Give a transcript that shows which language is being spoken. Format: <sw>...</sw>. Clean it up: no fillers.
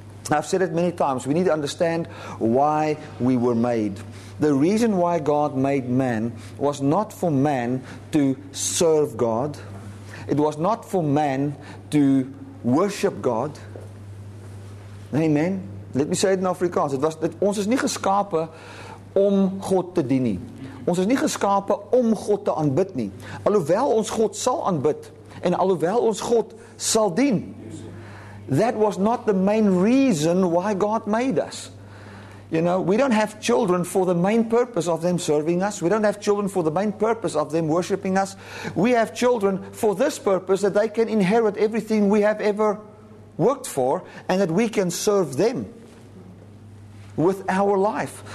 <en>I've said it many times. We need to understand why we were made. The reason why God made man was not for man to serve God. It was not for man to worship God. Amen. Let me say it in Afrikaans.</en> <af>Ons is nie geskape om God te dien nie. Ons is nie geskape om God te aanbid nie. Alhoewel ons God sal aanbid en alhoewel ons God sal dien.</af> <en>That was not the main reason why God made us. You know, we don't have children for the main purpose of them serving us. We don't have children for the main purpose of them worshiping us. We have children for this purpose, that they can inherit everything we have ever worked for, and that we can serve them with our life.</en>